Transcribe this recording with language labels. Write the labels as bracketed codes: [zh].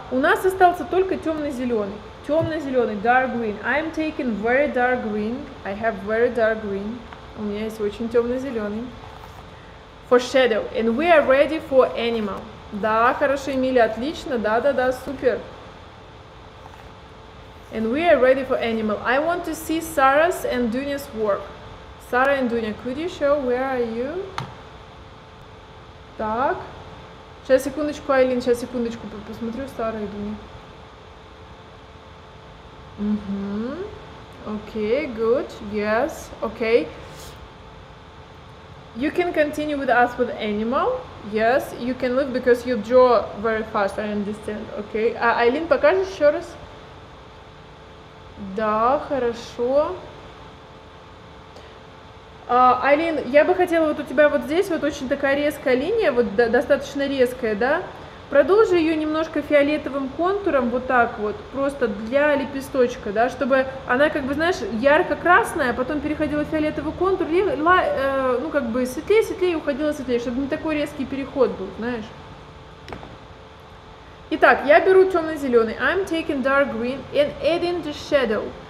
[ru] У нас остался только темно-зеленый. Темно-зеленый, [en] dark green. I'm taking very dark green. I have very dark green. [ru] У меня есть очень темно-зеленый. [en] For shadow. And we are ready for animal. [ru] Да, хорошо, Эмилия, отлично. Да-да-да, супер. [en] And we are ready for animal. I want to see Sara's and Dunya's work. Sara and Dunya, could you show where are you? [ru] Так, сейчас, секундочку, Айлин, сейчас, секундочку, посмотрю старые дни. [en] Угу, окей, good, yes, окей. Okay. You can continue with us with animal, yes, you can live because you draw very fast, I understand, окей. [ru] Okay. Айлин, покажешь еще раз? Да, хорошо. Айлин, я бы хотела вот у тебя вот здесь вот очень такая резкая линия, вот достаточно резкая, да? Продолжи ее немножко фиолетовым контуром, вот так вот, просто для лепесточка, да? Чтобы она как бы, знаешь, ярко-красная, потом переходила в фиолетовый контур, ну как бы светлее-светлее и уходила светлее, чтобы не такой резкий переход был, знаешь? Итак, я беру темно-зеленый. [en] I'm taking dark green and adding the shadow.